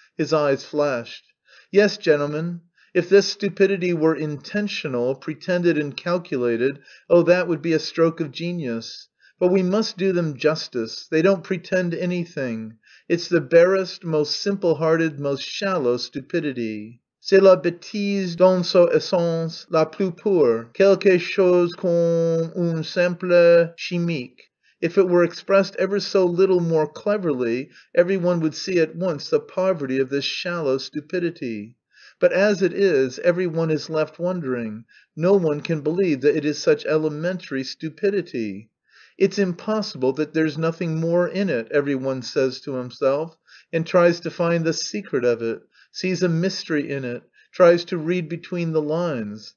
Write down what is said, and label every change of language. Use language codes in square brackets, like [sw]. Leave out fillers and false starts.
[en] His eyes flashed. "Yes, gentlemen, if this stupidity were intentional, pretended and calculated, oh, that would be a stroke of genius. But we must do them justice. They don't pretend anything. It's the barest, most simple-hearted, most shallow stupidity. [fr] C'est la bêtise dans son essence la plus pure, quelque chose comme une simple chimique. [en] If it were expressed ever so little more cleverly, everyone would see at once the poverty of this shallow stupidity. But as it is, everyone is left wondering. No one can believe that it is such elementary stupidity. It's impossible that there's nothing more in it, everyone says to himself, and tries to find the secret of it, sees a mystery in it, tries to read between the lines.